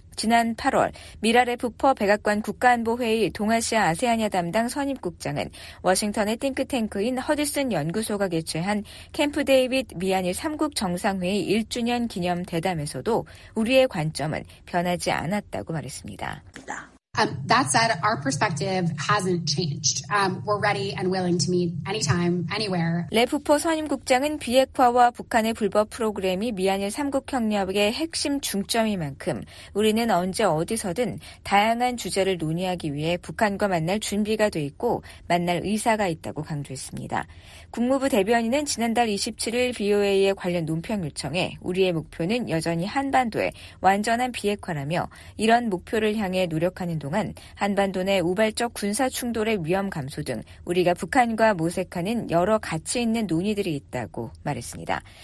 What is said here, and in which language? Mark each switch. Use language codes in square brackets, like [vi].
[ko] 지난 8월 미랄의 부퍼 백악관 국가안보회의 동아시아 아세아니아 담당 선임국장은 워싱턴의 띵크탱크인 허드슨 연구소가 개최한 캠프 데이빗 미한일 3국 정상회의 1주년 기념 대담에서도 우리의 관점은 변하지 않았다고 말했습니다. [en] That said, our perspective hasn't changed. We're ready and willing to meet anytime, anywhere. [ko] 레프퍼 선임국장은 비핵화와 북한의 불법 프로그램이 미한일 3국 협력의 핵심 중점인 만큼 우리는 언제 어디서든 다양한 주제를 논의하기 위해 북한과 만날 준비가 돼 있고 만날 의사가 있다고 강조했습니다. 국무부 대변인은 지난달 27일 BOA의 관련 논평 요청에 우리의 목표는 여전히 한반도의 완전한 비핵화라며 이런 목표를 향해 노력하는 동안 한반도 내 우발적 군사 충돌의 위험 감소 등 우리가 북한과 모색하는 여러 가치 있는 논의들이 있다고 말했습니다.